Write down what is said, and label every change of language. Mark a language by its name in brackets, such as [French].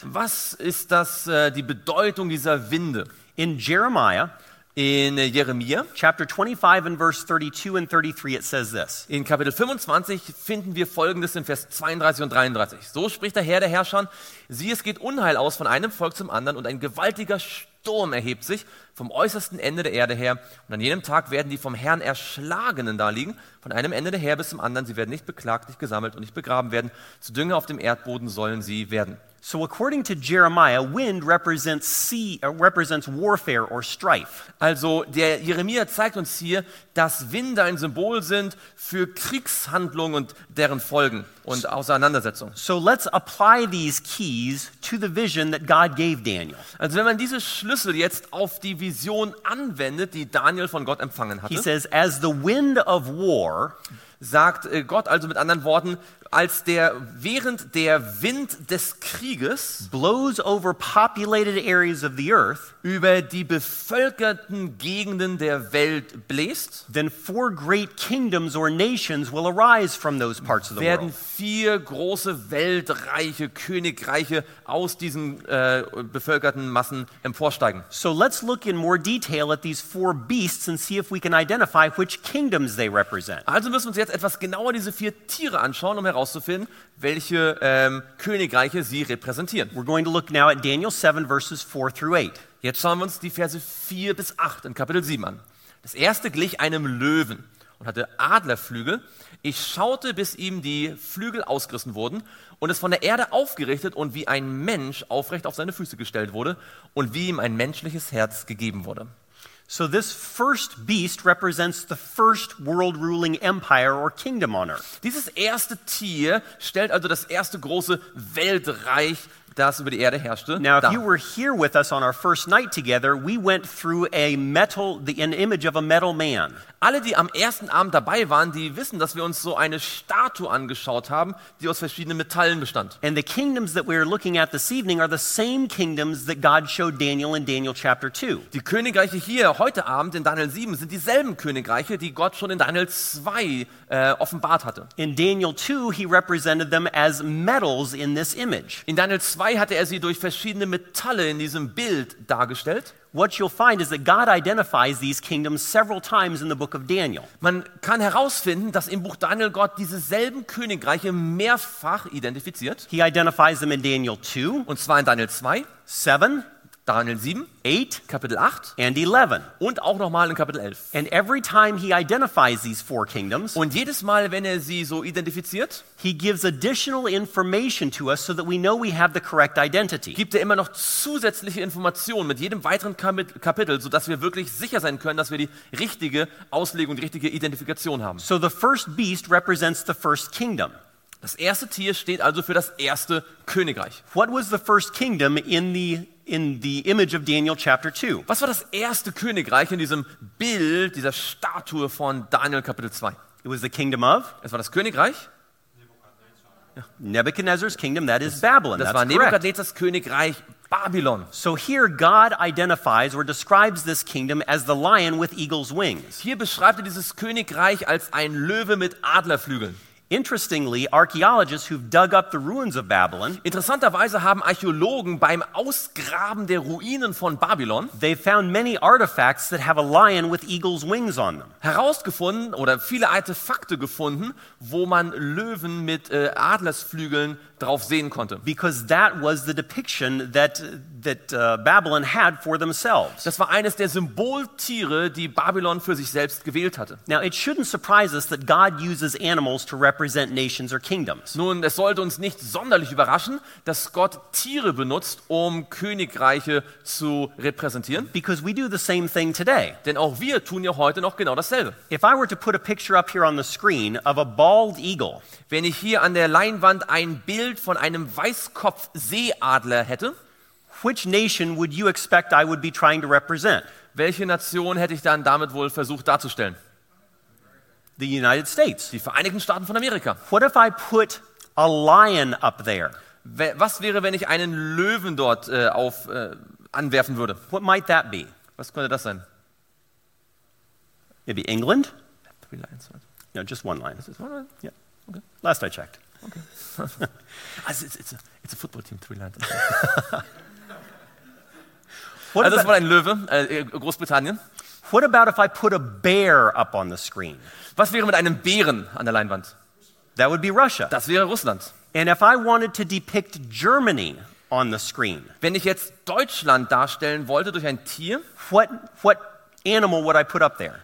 [German] Was ist das die Bedeutung dieser Winde? [English] In Jeremiah [German] in Jeremia [English] chapter 25 and verse 32 and 33 it says this. [German] In Kapitel 25 finden wir folgendes in Vers 32 und 33. So spricht der Herr der Herrscher: Sieh, es geht Unheil aus von einem Volk zum anderen und ein gewaltiger Sturm erhebt sich vom äußersten Ende der Erde her, und an jenem Tag werden die vom Herrn Erschlagenen daliegen, von einem Ende der Erde bis zum anderen. Sie werden nicht beklagt, nicht gesammelt und nicht begraben werden. Zu Dünger auf dem Erdboden sollen sie werden. [English] So according to Jeremiah, wind represents sea, represents warfare or strife. [German] Also der Jeremia zeigt uns hier, dass Winde ein Symbol sind für Kriegshandlungen und deren Folgen und Auseinandersetzungen. [English] So let's apply these keys to the vision that God gave Daniel. [German] Also wenn man diese Schlüssel jetzt auf die Vision anwendet, die Daniel von Gott empfangen hatte. [English] He says, as the wind of war, [German] sagt Gott also mit anderen Worten, als der während der Wind des Krieges [English] blows over populated areas of the earth, [German] über die bevölkerten Gegenden der Welt bläst, [English] then four great kingdoms or nations will arise from those parts of the [German] werden [English] world. [German] Vier große Weltreiche, Königreiche aus diesen bevölkerten Massen emporsteigen. [English] So let's look in more detail at these four beasts and see if we can identify which kingdoms they represent. [German] Also müssen wir uns jetzt etwas genauer diese vier Tiere anschauen, um herauszufinden, welche Königreiche sie repräsentieren. [English] We're going to look now at Daniel 7 verses 4 through 8. [German] Jetzt schauen wir uns die Verse 4 bis 8 in Kapitel 7 an. Das erste glich einem Löwen und hatte Adlerflügel. Ich schaute, bis ihm die Flügel ausgerissen wurden und es von der Erde aufgerichtet und wie ein Mensch aufrecht auf seine Füße gestellt wurde und wie ihm ein menschliches Herz gegeben wurde. [English] So this first beast represents the first world ruling empire or kingdom on earth. [German] Dieses erste Tier stellt also das erste große Weltreich, das über die Erde herrschte. [English] Now, if you were here with us on our first night together, we went through an image of a metal man. [German] Alle, die am ersten Abend dabei waren, die wissen, dass wir uns so eine Statue angeschaut haben, die aus verschiedenen Metallen bestand. [English] And the kingdoms that we are looking at this evening are the same kingdoms that God showed Daniel in Daniel chapter 2. [German] Die Königreiche hier heute Abend in Daniel 7 sind dieselben Königreiche, die Gott schon in Daniel 2 offenbart hatte. [English] In Daniel 2 he represented them as metals in this image. [German] In Daniel 2 hatte er sie durch verschiedene Metalle in diesem Bild dargestellt. [English] What you'll find is that God identifies these kingdoms several times in the book of Daniel. [German] Man kann herausfinden, dass im Buch Daniel Gott dieselben Königreiche mehrfach identifiziert. [English] He identifies them in Daniel 2, [German] und zwar in Daniel 2, [English] 7, [German] Daniel 7, [English] 8, [German] Kapitel 8, [English] and 11, [German] und auch nochmal in Kapitel 11. [English] And every time he identifies these four kingdoms, [German] und jedes Mal, wenn er sie so identifiziert, [English] he gives additional information to us so that we know we have the correct identity. [German] Gibt er immer noch zusätzliche Informationen mit jedem weiteren Kapitel, so dass wir wirklich sicher sein können, dass wir die richtige Auslegung, die richtige Identifikation haben. [English] So the first beast represents the first kingdom. [German] Das erste Tier steht also für das erste Königreich. [English] What was the first kingdom in the image of Daniel chapter 2? [German] Was war das erste Königreich in diesem Bild, dieser Statue von Daniel Kapitel 2? [English] It was the kingdom of? [German] Es war das Königreich [English] Nebuchadnezzar's kingdom, that is Babylon. [German] Das war Nebuchadnezzars Königreich Babylon. [English] So here God identifies or describes this kingdom as the lion with eagle's wings. [German] Hier beschreibt er dieses Königreich als ein Löwe mit Adlerflügeln. [English] Interestingly, archaeologists who've dug up the ruins of Babylon, [German] interessanterweise haben Archäologen beim Ausgraben der Ruinen von Babylon, [English] they found many artifacts that have a lion with eagle's wings on them. [German] Herausgefunden oder viele Artefakte gefunden, wo man Löwen mit Adlersflügeln drauf sehen konnte. [English] Because that was the depiction that Babylon had for themselves. [German] Das war eines der Symboltiere, die Babylon für sich selbst gewählt hatte. [English] Now it shouldn't surprise us that God uses animals to represent nations or kingdoms. [German] Nun, es sollte uns nicht sonderlich überraschen, dass Gott Tiere benutzt, um Königreiche zu repräsentieren. [English] Because we do the same thing today. [German] Denn auch wir tun ja heute noch genau dasselbe. [English] If I were to put a picture up here on the screen of a bald eagle, [German] wenn ich hier an der Leinwand ein Bild von einem Weißkopfseeadler hätte, [English] which nation would you expect I would be trying to represent? [German] Welche Nation hätte ich dann damit wohl versucht darzustellen? [English] The United States. [German] Die Vereinigten Staaten von Amerika. [English] What if I put a lion up there? [German] Was wäre, wenn ich einen Löwen dort anwerfen würde? [English] What might that be? [German] Was könnte das sein? [English] Maybe England? Three lions. No, just one lion. Is it one lion? Yeah. Okay. Last I checked. Okay. Also it's a football team, three lions. [German] Also das war ein Löwe, Großbritannien. [English] What about if I put a bear up on the screen? [German] Was wäre mit einem Bären an der Leinwand? [English] That would be Russia. [German] Das wäre Russland. [English] And if I wanted to depict Germany on the screen? [German] Wenn ich jetzt Deutschland darstellen wollte durch ein Tier? [English] What animal would I put up there?